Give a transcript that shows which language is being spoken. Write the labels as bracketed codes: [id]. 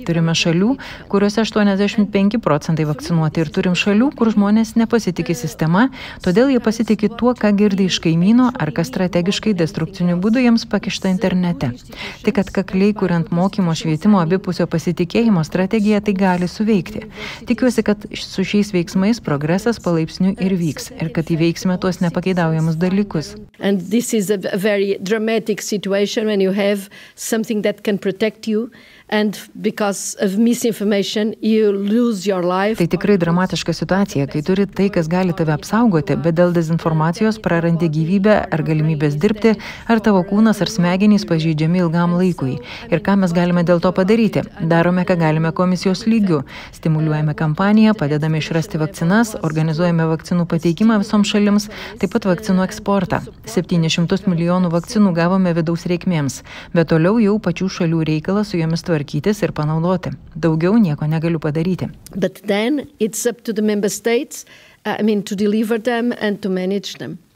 [lt] Turime šalių, kuriuose 85% vakcinuoti, ir turim šalių, kur žmonės nepasitiki sistema, todėl jie pasitiki tuo, ką girdi iš kaimyno ar kas strategiškai destrukciniu būdu jiems pakišta internete. Tik atkakliai, kuriant mokymo švietimo abipusio pasitikėjimo strategiją, tai gali suveikti. Tikiuosi, kad su šiais veiksmais progresas palaipsniui ir vyks, ir kad įveiksime tuos nepakeidaujamus dalykus. [en] And this is a very dramatic situation when you have something that can protect you. And because of misinformation, you lose your life. [lt] Tai tikrai dramatiška situacija, kai turi tai, kas gali tave apsaugoti, bet dėl dezinformacijos prarandi gyvybę ar galimybės dirbti, ar tavo kūnas ar smegenys pažeidžiami ilgam laikui. Ir ką mes galime dėl to padaryti? Darome, ką galime komisijos lygiu. Stimuliuojame kampaniją, padedame išrasti vakcinas, organizuojame vakcinų pateikimą visoms šalims, taip pat vakcinų eksportą. 700 milijonų vakcinų gavome vidaus reikmėms, bet toliau jau pačių šalių reikalas su jomis tvarkytis ir panaudoti. Daugiau nieko negaliu padaryti. [en] But then it's up to the member states, to deliver them and to manage them.